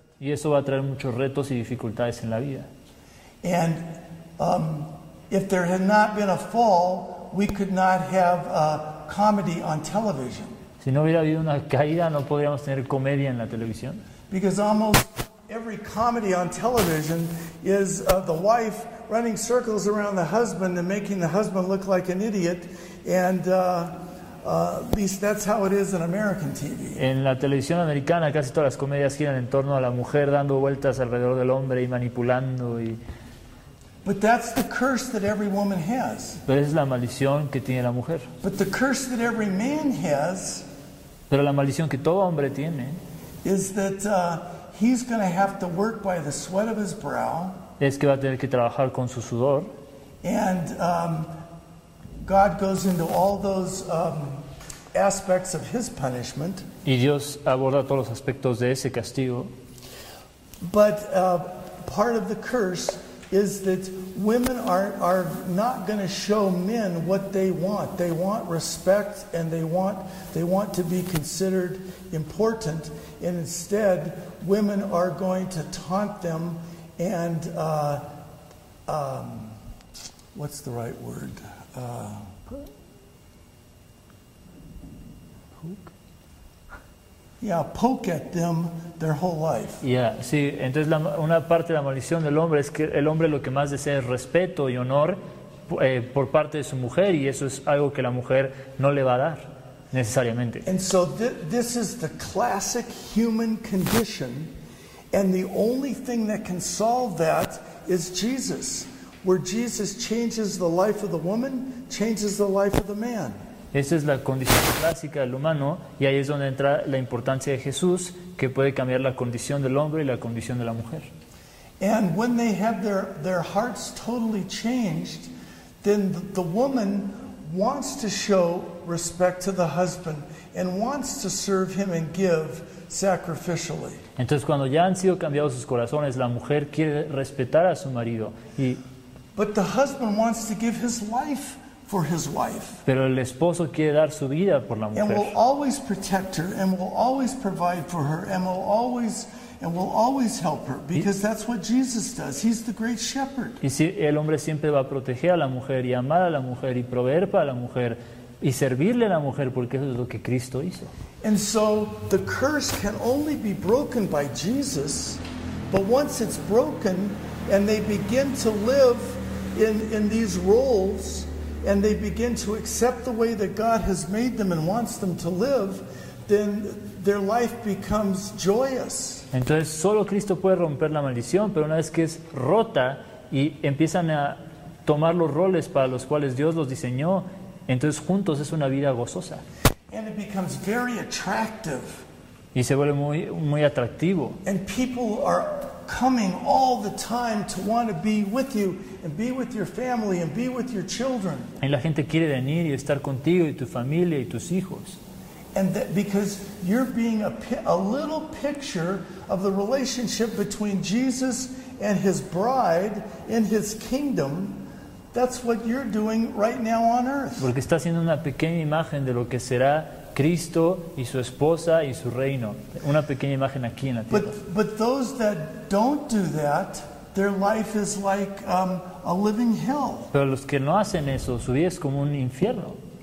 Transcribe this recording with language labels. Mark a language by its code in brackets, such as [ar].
[es] Y eso va a traer muchos retos y dificultades en la vida. [en] And if there had not been a fall, we could not have a comedy on television. [es] Si no hubiera habido una caída, no podríamos tener comedia en la televisión. [en] Because almost every comedy on television is the wife running circles around the husband and making the husband look like an idiot. And at least that's how it is in American TV. [es] En la televisión americana, casi todas las comedias giran en torno a la mujer dando vueltas alrededor del hombre y manipulando y. [en] But that's the curse that every woman has. [es] Pero es la maldición que tiene la mujer. [en] But the curse that every man has. [es] Pero la maldición que todo hombre tiene. [en] Is that he's going to have to work by the sweat of his brow. [es] Es que va a tener que trabajar con su sudor. [en] And God goes into all those aspects of his punishment. [es] Y Dios aborda todos los aspectos de ese castigo. [en] But part of the curse is that women are not going to show men what they want. They want respect and they want to be considered important. And instead, women are going to taunt them and, what's the right word? Poke at them their whole life. Yeah, sí. [es] Entonces, una parte de la maldición del hombre es que el hombre lo que más desea es respeto y honor por parte de su mujer, y eso es algo que la mujer no le va a dar necesariamente. [en] And so this is the classic human condition, and the only thing that can solve that is Jesus, where Jesus changes the life of the woman, changes the life of the man. [es] Esa es la condición clásica del humano, y ahí es donde entra la importancia de Jesús, que puede cambiar la condición del hombre y la condición de la mujer. [en] And when they have their hearts totally changed, then the woman wants to show respect to the husband and wants to serve him and give sacrificially. [es] Entonces, cuando ya han sido cambiados sus corazones, la mujer quiere respetar a su marido y. [en] But the husband wants to give his life for his wife. [es] Pero el esposo quiere dar su vida por la mujer. [en] And will always protect her, and will always provide for her, and will always help her, because that's what Jesus does. He's the great shepherd. [es] Y si el hombre siempre va a proteger a la mujer y amar a la mujer y proveer para la mujer y servirle a la mujer, porque eso es lo que Cristo hizo. [en] And so the curse can only be broken by Jesus, but once it's broken, and they begin to live in these roles. And they begin to accept the way that God has made them and wants them to live, then their life becomes joyous. [es] Entonces solo Cristo puede romper la maldición, pero una vez que es rota y empiezan a tomar los roles para los cuales Dios los diseñó, entonces juntos es una vida gozosa. [en] And it becomes very attractive. [es] Y se vuelve muy, muy atractivo. [en] And people are coming all the time to want to be with you and be with your family and be with your children. [es] Y la gente quiere venir y estar contigo y tu familia y tus hijos. [en] And that because you're being a little picture of the relationship between Jesus and his bride in his kingdom, that's what you're doing right now on earth. [es] Porque está haciendo una pequeña imagen de lo que será Cristo y su esposa y su reino, una pequeña imagen aquí en la tierra. [en] But those that don't do that, their life is like a living hell. [es] Pero los que no hacen eso, su vida es como un infierno.